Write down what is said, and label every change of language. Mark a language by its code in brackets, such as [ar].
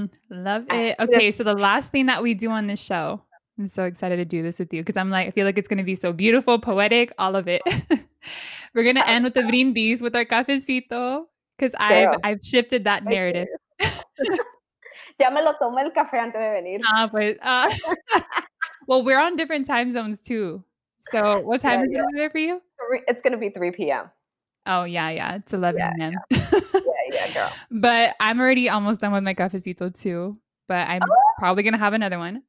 [en] Love it. Okay, so the last thing that we do on this show, I'm so excited to do this with you because I'm like, I feel like it's going to be so beautiful, poetic, all of it. We're going to end with the brindis, with our cafecito, because I've shifted that narrative. [es] Ya me lo tomo el café antes de venir. [en] Well, we're on different time zones too. So what time is it over there for you? It's going to be 3 p.m. Oh, yeah. It's 11 a.m. Yeah. Yeah, girl. But I'm already almost done with my cafecito too. But I'm probably going to have another one.